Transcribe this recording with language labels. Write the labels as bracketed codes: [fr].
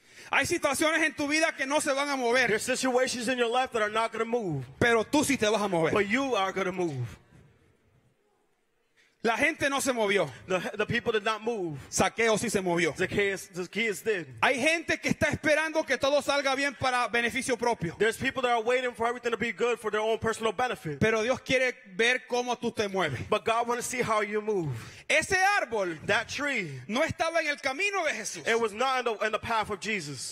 [es] Hay situaciones en tu vida que no se van a mover. [en] There are situations in your life that are not going to move. [es] Pero tú sí te vas a mover. [en] But you are going to move. [es] La gente no se movió. [en] The people did not move. [es] Zaqueo sí se movió. [en] Zacchaeus did. [es] Hay gente que está esperando que todo salga bien para beneficio propio. [en] There's people that are waiting for everything to be good for their own personal benefit. [es] Pero Dios quiere ver cómo tú te mueves. [en] But God wants to see how you move. [es] Ese árbol, [en] that tree, [es] no estaba en el camino de Jesús. [en] It was not in the path of Jesus.